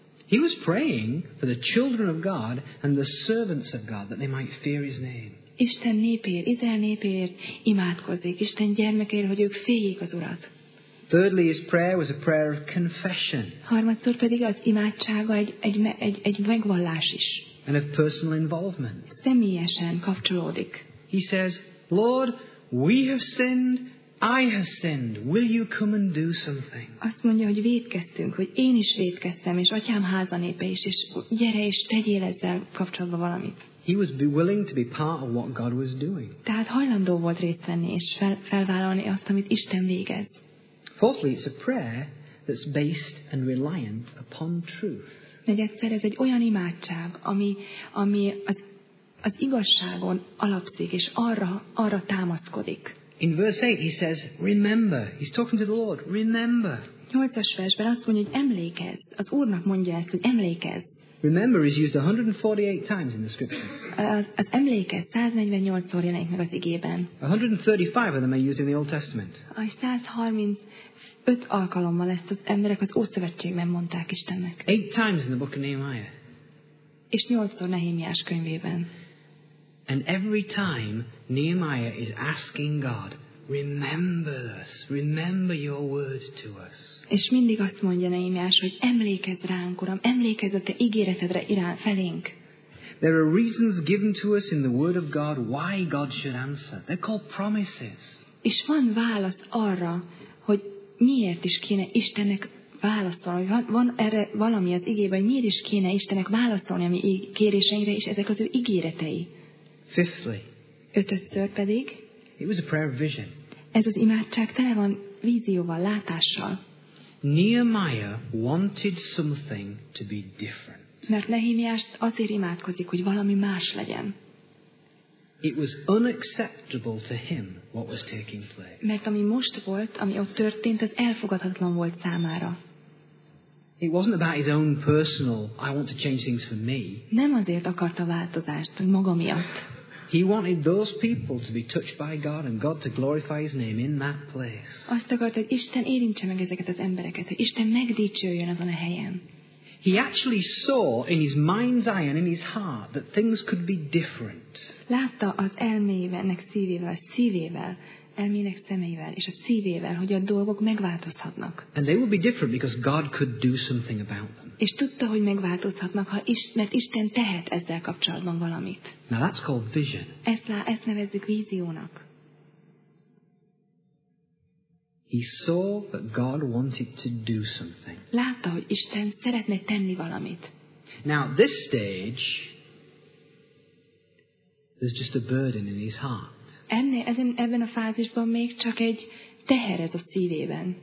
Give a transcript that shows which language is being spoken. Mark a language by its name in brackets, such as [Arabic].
[English] He was praying for the children of God and the servants of God that they might fear his name. [Hungarian] Isten népéért, Izrael népéért imádkozik, Isten gyermekeért, hogy ők féljék az Urat. [English] Thirdly, his prayer was a prayer of confession. [Hungarian] Harmadszor pedig az imádsága egy megvallás is. [English] And of personal involvement. [Hungarian] Személyesen kapcsolódik. [English] He says, Lord, we have sinned, I have sinned. Will you come and do something? [Hungarian] Azt mondja, hogy vétkeztünk, hogy én is vétkeztem, és atyám háza népe is, és gyere és tegyél ezzel kapcsolatban valamit. [English] He was willing to be part of what God was doing. [Hungarian] Tehát hajlandó volt részt venni és felvállalni azt, amit Isten végez. [English] Fourthly, it's a prayer that's based and reliant upon truth. [Hungarian] Negyedszer, ez egy olyan imádság, ami az igazságon alapszik és arra támaszkodik. [English] In verse 8 he says, remember. He's talking to the Lord. Remember. [Hungarian] 8. versben azt mondja, hogy emlékezz. Az Úrnak mondja ezt, hogy emlékezz. [English] Remember is used 148 times in the scriptures. [Hungarian] Az emlékezz 148-szor jelenik meg az igében. [English] 135 of them are used in the Old Testament. [Hungarian] A 135 alkalommal ezt az emberek az Ószövetségben mondták Istennek. [English] 8 times in the book of Nehemiah. [Hungarian] És 8-szor Nehémiás könyvében. [English] And every time Nehemiah is asking God, remember us, remember your words to us. [Hungarian] És mindig azt mondja Nehémiás, hogy emlékezz ránk, Uram, emlékezz a te ígéretedre irán felénk. [English] There are reasons given to us in the word of God why God should answer. They're called promises. [Hungarian] És van válasz arra, hogy miért is kéne Istennek válaszolni. Van erre valami az igében, hogy miért is kéne Istennek válaszolni a mi kéréseinkre, és ezek az ő ígéretei. [English] Fifthly, [Hungarian] ötödször pedig, [English] it was a prayer of vision. [Hungarian] Ez az imádság tele van vízióval, látással. [English] Nehemiah wanted something to be different. [Hungarian] Mert Nehémiás azért imádkozik, hogy valami más legyen. [English] It was unacceptable to him what was taking place. [Hungarian] Mert ami most volt, ami ott történt, az elfogadhatatlan volt számára. [English] It wasn't about his own personal, I want to change things for me. [Hungarian] Nem azért akarta változást, hogy maga miatt. [English] He wanted those people to be touched by God and God to glorify his name in that place. [Hungarian] Azt akarta, hogy Isten érintse meg ezeket az embereket, hogy Isten megdicsőjön azon a helyen. [English] He actually saw in his mind's eye and in his heart that things could be different. [Hungarian] Látta az elmének szívével, elmének szemeivel és a szívével, hogy a dolgok megváltozhatnak. [English] And they would be different because God could do something about them. [Hungarian] És tudta, hogy megváltozhatnak, mert Isten tehet ezzel kapcsolatban valamit. [English] Now that's called vision. [Hungarian] Ezt nevezzük víziónak. [English] He saw that God wanted to do something. [Hungarian] Látta, hogy Isten szeretne tenni valamit. [English] Now at this stage, there's just a burden in his heart. [Hungarian] Ebben a fázisban még csak egy teher ez a szívében.